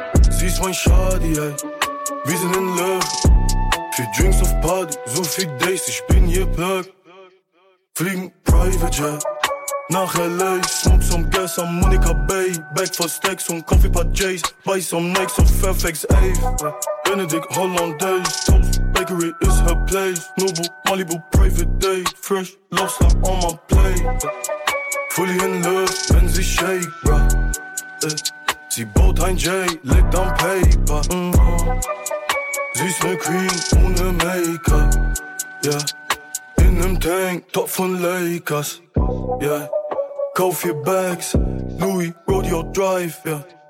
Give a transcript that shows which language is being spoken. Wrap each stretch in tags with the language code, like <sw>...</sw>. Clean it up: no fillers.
<de>Sie ist mein Shawty, yeah. Wir sind in Love. Vier Drinks auf Party, so viel Days, ich bin ihr Plug.</de> <en>Fliegen Private Jet nach L.A., smoke some gas am Monica Bay. Back for stacks und Coffee Pot J's. Buy some Nikes auf FX Ave. Benedict Hollandaise. Toast Bakery is her place. Noble Malibu private date. Fresh lobster on my plate. Fully in love,</en> <de>wenn sie</de> <en>shake, bruh.</en> <de>Sie baut ein J,</de> <en>leg down paper.</en> <de>Sie ist ne Queen ohne Make-up. Yeah. In nem Tank, top von Lakers. Yeah, kauf ihr Bags, Louis Rodeo Drive, yeah.</de>